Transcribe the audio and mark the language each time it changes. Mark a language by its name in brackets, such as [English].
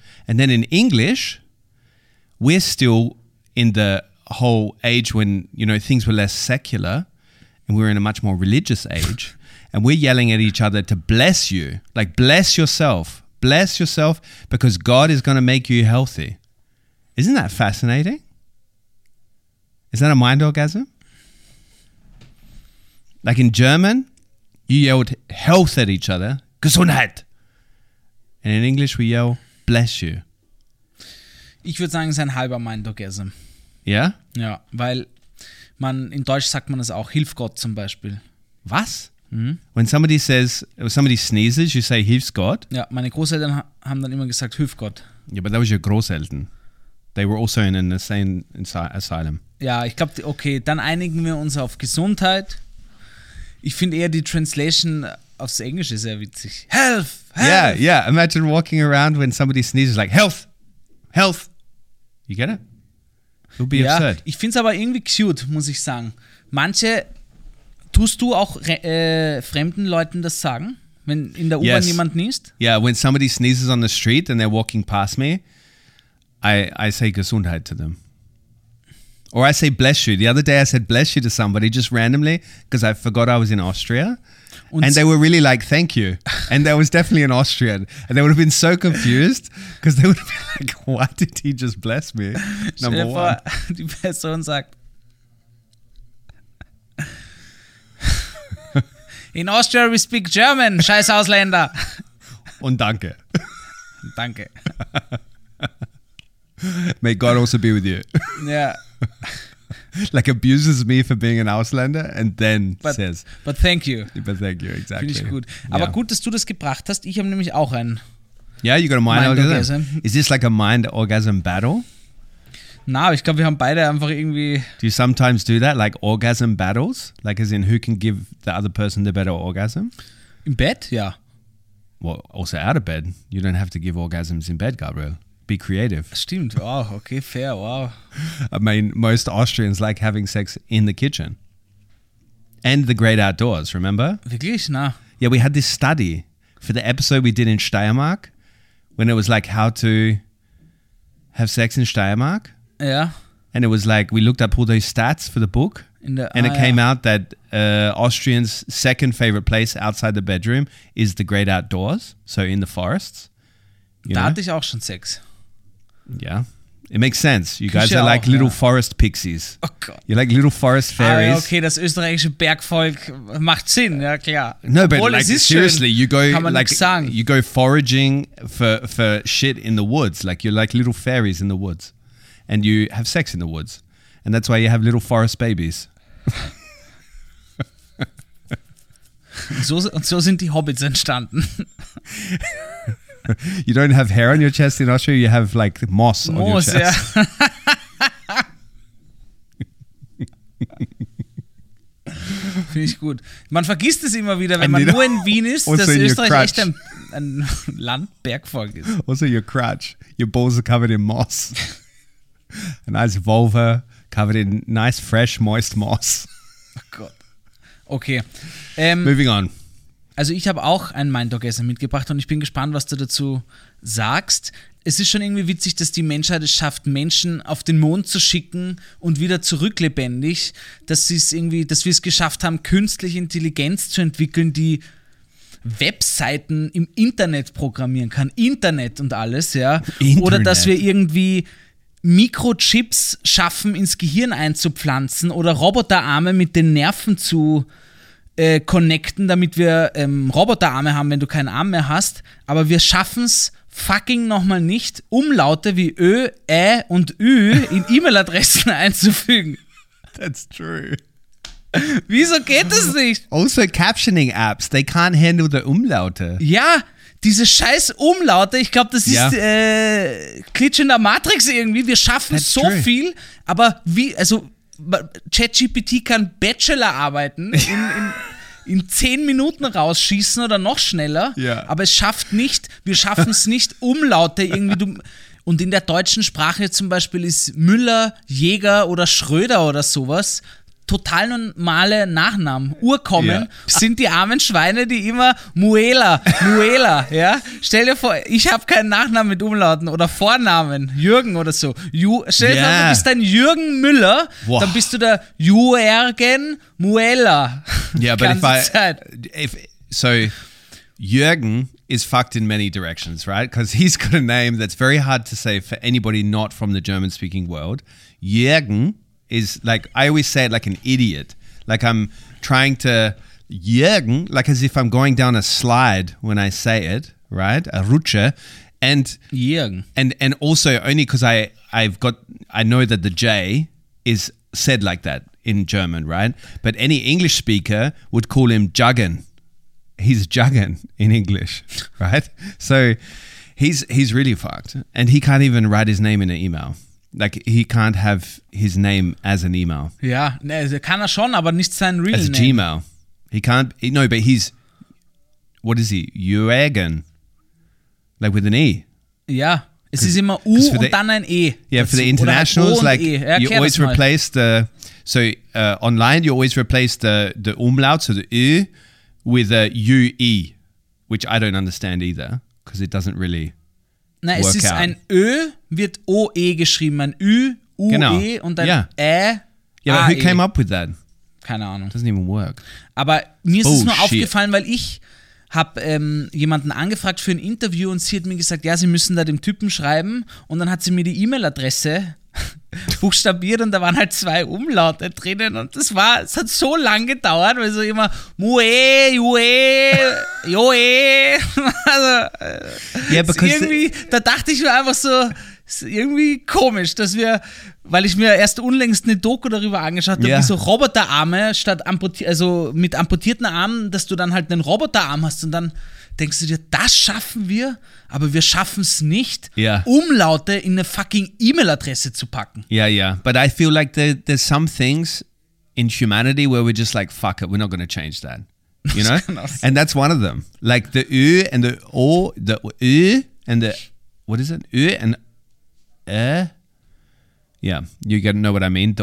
[English] And then in English, we're still in the whole age when, you know, things were less secular and we're in a much more religious age and we're yelling at each other to bless you, like bless yourself because God is going to make you healthy. Isn't that fascinating? Is that a mind orgasm? Like in German, you yelled health at each other, Gesundheit. And in English, we yell bless you. [German] Ich würde sagen, es ist ein halber [English] mind orgasm. [German] Ja? Ja, weil man in Deutsch sagt man das auch, hilf Gott zum Beispiel. Was? Mhm. [English] When somebody says, when somebody sneezes, you say, hilf Gott? [German] Ja, meine Großeltern haben dann immer gesagt, hilf Gott. [English] Ja, but that was your Großeltern. They were also in an insane asylum. [German] Ja, ich glaube, okay, dann einigen wir uns auf Gesundheit. Ich finde eher die Translation aufs Englische sehr witzig. [English] Health! Yeah, yeah, imagine walking around when somebody sneezes like, health! Health! You get it? It'll be [German] ja, [English] absurd. [German] Ich finde es aber irgendwie cute, muss ich sagen. Manche, tust du auch fremden Leuten das sagen, wenn in der U-Bahn [English] yes. [German] jemand niest? [English] Yeah, when somebody sneezes on the street and they're walking past me, I say Gesundheit to them. Or I say bless you. The other day I said bless you to somebody just randomly because I forgot I was in Austria. And they were really like, thank you. And that was definitely an Austrian. And they would have been so confused because they would have been like, why did he just bless me? Number one. [German] Die Person sagt, [English] in Austria we speak German, [German] scheiß Ausländer. Und danke. Danke. [English] May God also be with you. Yeah. like abuses me for being an Ausländer and then but, says. But thank you. But thank you, exactly. [German] Finde ich gut. [English] Yeah. [German] Aber gut, dass du das gebracht hast. Ich habe nämlich auch einen. [English] Yeah, you got a mind orgasm. Is this like a mind orgasm battle? [German] Na, ich glaube, wir haben beide einfach irgendwie. [English] Do you sometimes do that, like orgasm battles? Like as in who can give the other person the better orgasm? [German] Im Bett, ja. [English] Well, also out of bed. You don't have to give orgasms in bed, Gabriel. Be creative. [German] Stimmt. Oh, okay, fair. Wow. [English] I mean, most Austrians like having sex in the kitchen. And the great outdoors, remember? [German] Wirklich? Na. [English] Yeah, we had this study for the episode we did in Steiermark when it was like how to have sex in Steiermark. Yeah. And it was like we looked up all those stats for the book. And it came out that Austrians' second favorite place outside the bedroom is the great outdoors, so in the forests. [German] Da hatte ich auch schon Sex. [English] Yeah. It makes sense. You guys are like little forest pixies. [German] Oh Gott. [English] You're like little forest fairies. [German] Okay, das österreichische Bergvolk macht Sinn, ja klar. [English] No, but like seriously, you go like you go foraging for shit in the woods. Like you're like little fairies in the woods. And you have sex in the woods. And that's why you have little forest babies. [German] So sind die Hobbits entstanden. [English] You don't have hair on your chest in Austria, you have like moss on your chest. Yeah. [German] Finde ich gut. Man vergisst es immer wieder, wenn man nur in Wien ist, dass Österreich echt ein Land Bergvolk ist. [English] Also your crutch. Your balls are covered in moss. A nice vulva. Covered in nice, fresh, moist moss. Oh Gott. Okay. Moving on. [German] Also ich habe auch ein Mind-Orgasm mitgebracht und ich bin gespannt, was du dazu sagst. Es ist schon irgendwie witzig, dass die Menschheit es schafft, Menschen auf den Mond zu schicken und wieder zurück lebendig. Dass wir es geschafft haben, künstliche Intelligenz zu entwickeln, die Webseiten im Internet programmieren kann. Internet und alles, ja. Internet. Oder dass wir irgendwie Mikrochips schaffen, ins Gehirn einzupflanzen oder Roboterarme mit den Nerven zu connecten, damit wir Roboterarme haben, wenn du keinen Arm mehr hast. Aber wir schaffen es fucking nochmal nicht, Umlaute wie Ö, Ä und Ü in E-Mail-Adressen einzufügen. [English] That's true. [German] Wieso geht das nicht? Also [English] Captioning-Apps, they can't handle the Umlaute. [German] Ja, diese scheiß Umlaute, ich glaube, das ist Glitch in der Matrix irgendwie. Wir schaffen [English] That's so true. [German] Viel, aber wie, also ChatGPT kann Bachelorarbeiten in 10 Minuten rausschießen oder noch schneller, aber es schafft nicht, wir schaffen es nicht, Umlaute irgendwie. Und in der deutschen Sprache zum Beispiel ist Müller, Jäger oder Schröder oder sowas total normale Nachnamen. Urkommen sind die armen Schweine, die immer Muela, ja? Stell dir vor, ich habe keinen Nachnamen mit Umlauten oder Vornamen, Jürgen oder so. Stell dir vor, du bist ein Jürgen Müller, dann bist du der Jürgen Muela. [English] Yeah, but so Jürgen is fucked in many directions, right? Because he's got a name that's very hard to say for anybody not from the German speaking world. Jürgen is like, I always say it like an idiot. Like I'm trying to, Jürgen, like as if I'm going down a slide when I say it, right? A rutsche. And Jürgen. And also only because I know that the J is said like that in German, right? But any English speaker would call him Juggen. He's Juggen in English, right? So he's really fucked. And he can't even write his name in an email. Like, he can't have his name as an email. [German] Ja, ne, kann er schon, aber nicht sein [English] real as a name. As Gmail. He can't, no, but he's, what is he? Jürgen. Like, with an E. [German] Ja, es ist immer U und dann ein E. [English] Yeah, for the internationals, like, you always replace the, so online, you always replace the umlaut, so the Ü, with a UE, which I don't understand either, because it doesn't really. [German] Nein, es ist ein Ö, wird O-E geschrieben, ein Ü, U-E genau. Und ein [English] Yeah, but who came up with that? [German] Keine Ahnung. [English] Doesn't even work. [German] Aber mir ist es nur aufgefallen, weil ich habe jemanden angefragt für ein Interview und sie hat mir gesagt, ja, sie müssen da dem Typen schreiben und dann hat sie mir die E-Mail-Adresse buchstabiert und da waren halt zwei Umlaute drinnen und es hat so lang gedauert, weil so immer Mue, Jue, Joe. Also, [English] yeah, because [German] irgendwie, da dachte ich mir einfach so, Es ist irgendwie komisch, dass wir, weil ich mir erst unlängst eine Doku darüber angeschaut habe, wie so Roboterarme statt also mit amputierten Armen, dass du dann halt einen Roboterarm hast und dann denkst du dir, das schaffen wir, aber wir schaffen es nicht, Umlaute in eine fucking E-Mail-Adresse zu packen. Ja, yeah, ja. [English] Yeah. But I feel like there's some things in humanity where we're just like, fuck it, we're not going to change that. You know? And that's one of them. Like the Ö and the O, the Ö and the, what is it? Ö and yeah, you gotta know what I mean.